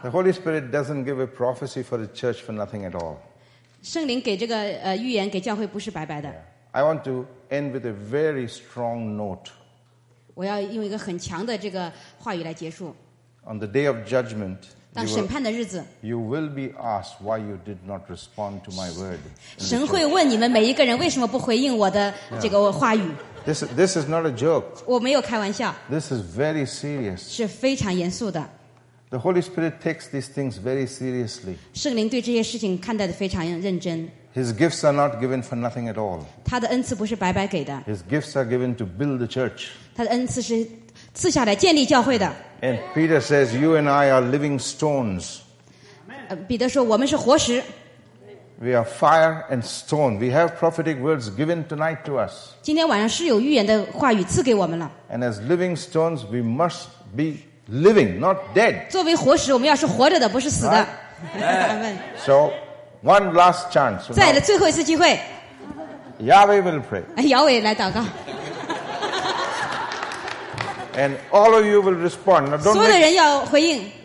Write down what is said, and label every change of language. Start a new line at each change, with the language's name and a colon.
English: The Holy Spirit doesn't give a prophecy for the church for nothing at all.
Chinese: 圣灵给这个, 预言, 给教会不是白白的。
English: Yeah. I want to end with a very strong note.
Chinese: 我要用一个很强的这个话语来结束。
English: On the day of judgment,
Chinese: 当审判的日子,
English: you will be asked why you did not respond to my word.
Chinese: 神会问你们每一个人为什么不回应我的这个话语。
English: This is not a joke.
Chinese: 我没有开玩笑。
English: This is very serious.
Chinese: 是非常严肃的。
English: The Holy Spirit takes these things very seriously.
Chinese: 圣灵对这些事情看待得非常认真。
English: His gifts are not given for nothing at all.
Chinese: 他的恩赐不是白白给的。
English: His gifts are given to build the church.
Chinese: 他的恩赐是赐下来建立教会的。
English: And Peter says, you and I are living stones.
Chinese: 彼得说我们是活石。
English: We are fire and stone. We have prophetic words given tonight to us.
Chinese: 今天晚上是有预言的话语赐给我们了。
English: And as living stones, we must be living, not dead.
Chinese: 作为活石我们要是活着的不是死的。
English: So, one last chance. So
Chinese: 再来最后一次机会。
English: Yahweh will pray.
Chinese: 哎，Yahweh来祷告。
English: And all of you will respond. Now, don't
Chinese: 所有的人要回应。